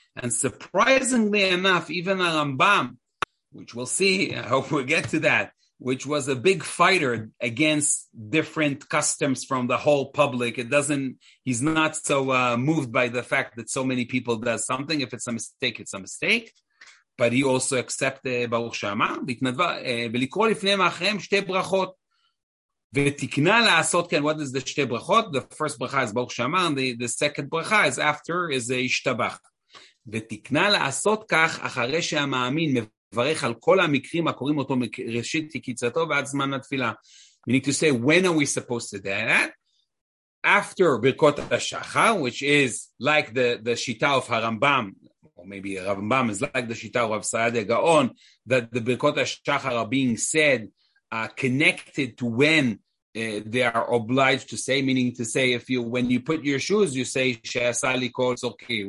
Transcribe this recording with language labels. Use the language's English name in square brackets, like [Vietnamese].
[English] And surprisingly enough, even a Rambam, which we'll see, I hope we'll get to that, which was a big fighter against different customs from the whole public. He's not so moved by the fact that so many people does something. If it's a mistake, it's a mistake. But he also accepted Baruch She'amar, [Hebrew] ולקרוא לפניהם אחריהם שתי ברכות. ותקנה לעשות כן, [English] what is the [Hebrew] שתי ברכות? [English] The first bracha is Baruch She'amar, and the second bracha is after, is השתבח. [Hebrew] ותקנה לעשות כך, אחרי שהמאמין מברך על כל המקרים הקוראים אותו ראשית תקיצתו ועד זמן התפילה. [English] We need to say, when are we supposed to do that? After ברכות השחר, which is like the שיטה of הרמב״ם, or maybe הרמב״ם is like the שיטה of Rav Saadia Gaon, that the ברכות השחר are being said, connected to when they are obliged to say, meaning to say, when you put your shoes, you say [Hebrew] she'asa li kol tzorkei.